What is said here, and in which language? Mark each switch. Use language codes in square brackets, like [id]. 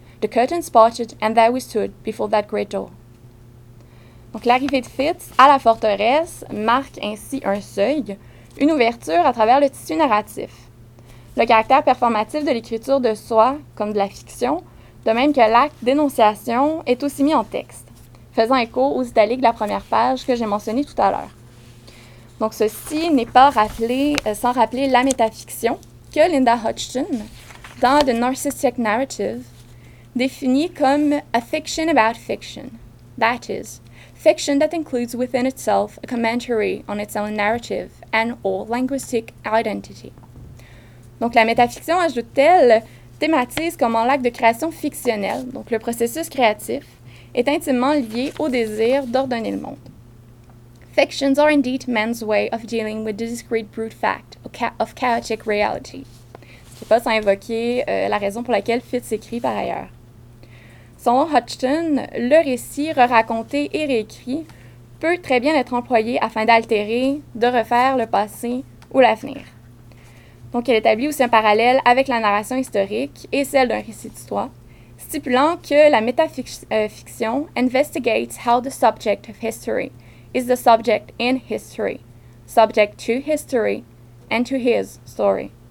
[en] The curtains parted, and there we stood before that great door. [fr] Donc, l'arrivée de Fitz à la forteresse marque ainsi un seuil, une ouverture à travers le tissu narratif. Le caractère performatif de l'écriture de soi, comme de la fiction, de même que l'acte d'énonciation, est aussi mis en texte, faisant écho aux italiques de la première page que j'ai mentionnée tout à l'heure. Donc, ceci n'est pas rappelé sans rappeler la métafiction que Linda Hodgson, dans The Narcissistic Narrative, définit comme « [en] a fiction about fiction ». That is, fiction that includes within itself a commentary on its own narrative and or linguistic identity. [fr] Donc, la métafiction, ajoute-t-elle, thématise comment l'acte de création fictionnelle, donc le processus créatif, est intimement lié au désir d'ordonner le monde. [en] Fictions are indeed man's way of dealing with the discrete brute fact of chaotic reality. [fr] Ce n'est pas sans invoquer la raison pour laquelle Fitz écrit par ailleurs. Selon Hodgson, le récit re-raconté et réécrit peut très bien être employé afin d'altérer, de refaire le passé ou l'avenir. Donc, elle établit aussi un parallèle avec la narration historique et celle d'un récit d'histoire, stipulant que la métafiction [en] investigates how the subject of history is the subject in history, subject to history and to his story.